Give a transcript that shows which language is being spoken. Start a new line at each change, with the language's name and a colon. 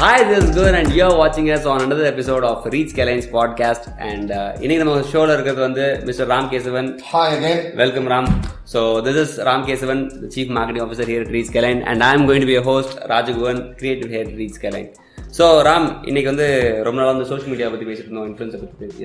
English: this is good and you are watching us on another episode of Reach Skyline's podcast.
Tamil: And இன்னைக்கு நம்ம ஷோல இருக்கிறது வந்து mister Ram Kesavan.
English: Hi again. Welcome, Ram. So, this is Ram Kesavan, the Chief Marketing Officer here at Reach Skyline. And I am going to be your host, Rajagovan, Creative Head at Reach Skyline.
Tamil: So, Ram, இன்னைக்கு வந்து ரொம்ப நாள் வந்து social media பத்தி பேசிட்டு இருந்தோம், influencer பத்தி.